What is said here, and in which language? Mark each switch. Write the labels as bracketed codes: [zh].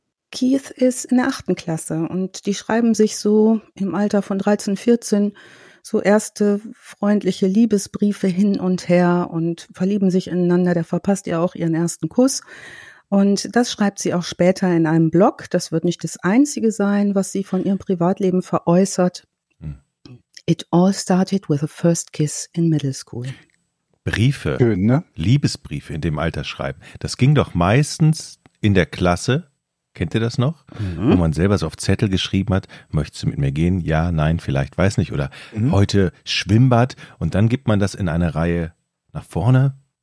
[de] Keith ist in der 8. Klasse und die schreiben sich so im Alter von 13, 14 so erste freundliche Liebesbriefe hin und her und verlieben sich ineinander. Der verpasst ihr auch ihren ersten Kuss. Und das schreibt sie auch später in einem Blog. Das wird nicht das Einzige sein, was sie von ihrem Privatleben veräußert. Hm. [en] It all started with a first kiss in middle school. [de] Briefe, schön, ne? Liebesbriefe in dem Alter schreiben. Das ging doch meistens in der Klasse, kennt ihr das noch? Mhm. Wo man selber so auf Zettel geschrieben hat, möchtest du mit mir gehen? Ja, nein, vielleicht, weiß nicht. Oder heute Schwimmbad. Und dann gibt man das in eine Reihe nach vorne.